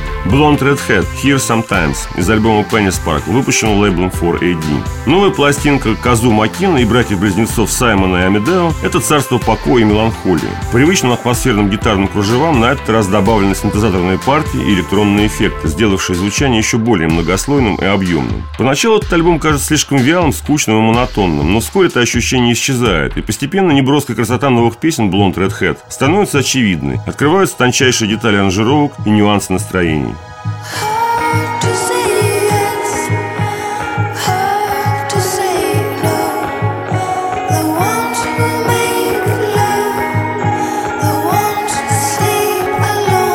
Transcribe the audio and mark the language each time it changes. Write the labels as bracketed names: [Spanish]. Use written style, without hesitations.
[Russian] Blonde Red Hat – Here Sometimes из альбома Penny Sparkle, выпущенного лейблом 4AD. Новая пластинка Казу Макина и братьев-близнецов Саймона и Амедео – это царство покоя и меланхолии. Привычным атмосферным гитарным кружевам на этот раз добавлены синтезаторные партии и электронные эффекты, сделавшие звучание еще более многослойным и объемным. Поначалу этот альбом кажется слишком вялым, скучным и монотонным, но вскоре это ощущение исчезает, и постепенно неброская красота новых песен Blonde Red Hat становится очевидной, открываются тончайшие детали аранжировок и нюансы настроений. [English] Hard to say yes, hard to say no, the ones who make love, the ones who sleep alone.